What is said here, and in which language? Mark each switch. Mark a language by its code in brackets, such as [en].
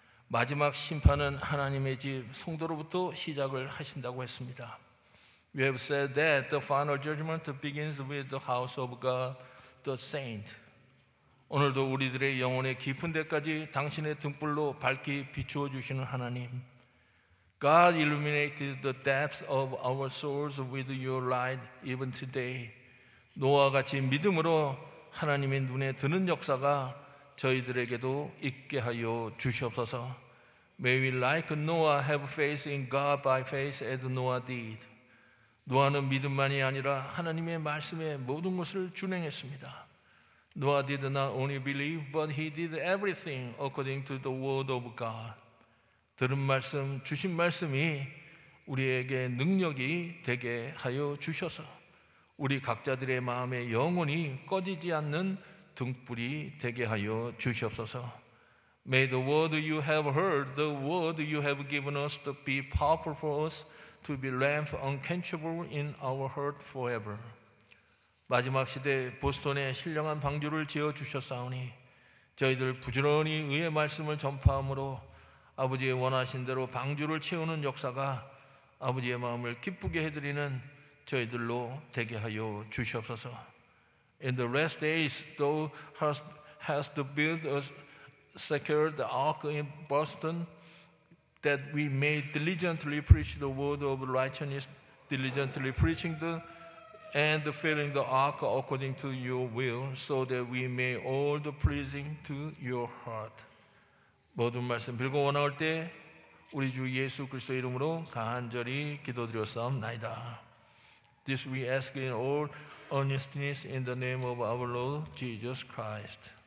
[ko] 마지막 심판은 하나님의 집 성도로부터 시작을 하신다고 했습니다. [en] We have said that the final judgment begins with the house of God, the saint. [ko] 오늘도 우리들의 영혼의 깊은 데까지 당신의 등불로 밝히 비추어 주시는 하나님. [en] God illuminated the depths of our souls with your light even today. [ko] 노아 같이 믿음으로 하나님의 눈에 드는 역사가 저희들에게도 있게 하여 주시옵소서. [en] May we like Noah have faith in God by faith as Noah did. [ko] 노아는 믿음만이 아니라 하나님의 말씀에 모든 것을 준행했습니다. [en] Noah did not only believe, but he did everything according to the word of God. [ko] 들은 말씀, 주신 말씀이 우리에게 능력이 되게 하여 주셔서 우리 각자들의 마음에 영원히 꺼지지 않는 등불이 되게 하여 주시옵소서. [en] May the word you have heard, the word you have given us to be powerful for us, to be lamp unquenchable in our heart forever. [ko] 마지막 시대 보스턴에 신령한 방주를 지어주셨사오니 저희들 부지런히 의의 말씀을 전파함으로 아버지의 원하신 대로 방주를 채우는 역사가 아버지의 마음을 기쁘게 해드리는 저희들로 되게 하여 주시옵소서. [en] In the last days, though has to build a secured ark in Boston, that we may diligently preach the word of righteousness, diligently preaching the and filling the ark according to your will, so that we may all be pleasing to your heart. [ko] 모든 말씀 빌고 원할 때 우리 주 예수 그리스도 이름으로 간절히 기도드렸사옵나이다. [en] This we ask in all earnestness in the name of our Lord Jesus Christ.